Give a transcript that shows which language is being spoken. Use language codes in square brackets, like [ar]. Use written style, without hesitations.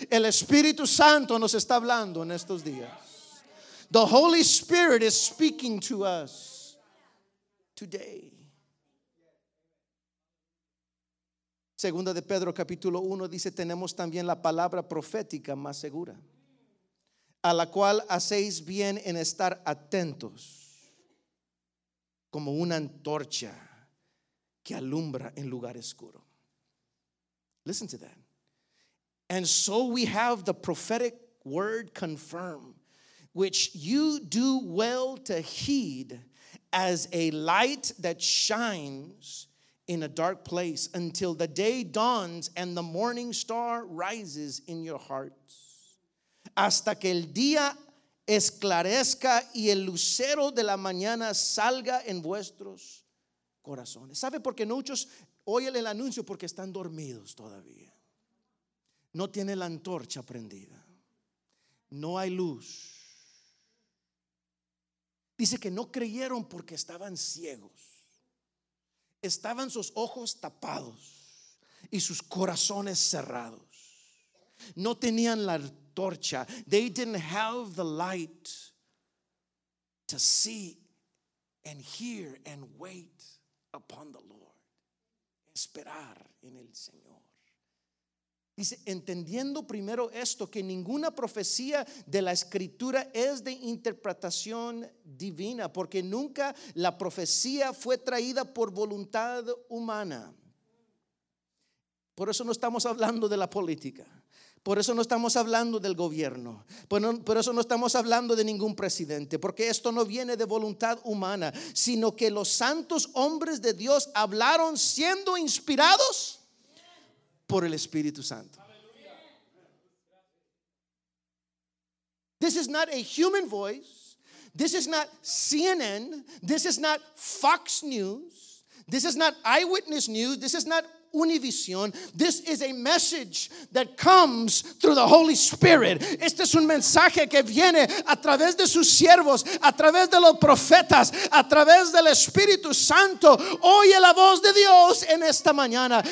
[es] El Espíritu Santo nos está hablando en estos días. [en] The Holy Spirit is speaking to us today. [es] Segunda de Pedro capítulo 1 dice, tenemos también la palabra profética más segura, a la cual hacéis bien en estar atentos como una antorcha que alumbra en lugar oscuro. [en] Listen to that. And so we have the prophetic word confirmed, which you do well to heed as a light that shines in a dark place until the day dawns and the morning star rises in your hearts. [es] Hasta que el día esclarezca y el lucero de la mañana salga en vuestros corazones. ¿Sabe por qué no muchos oyen el anuncio? Porque están dormidos todavía. No tiene la antorcha prendida. No hay luz. Dice que no creyeron porque estaban ciegos. Estaban sus ojos tapados y sus corazones cerrados. No tenían la antorcha. [en] They didn't have the light to see and hear and wait upon the Lord. [es] Esperar en el Señor. Dice, entendiendo primero esto, que ninguna profecía de la escritura es de interpretación divina, porque nunca la profecía fue traída por voluntad humana. Por eso no estamos hablando de la política. Por eso no estamos hablando del gobierno, por eso no estamos hablando de ningún presidente, porque esto no viene de voluntad humana, sino que los santos hombres de Dios hablaron siendo inspirados por el Espíritu Santo. [en] This is not a human voice. This is not CNN. This is not Fox News. This is not Eyewitness News. This is not Univision. This is a message that comes through the Holy Spirit. [es] Este es un mensaje que viene a través de sus siervos, a través de los profetas, a través del Espíritu Santo. Oye la voz de Dios en esta mañana.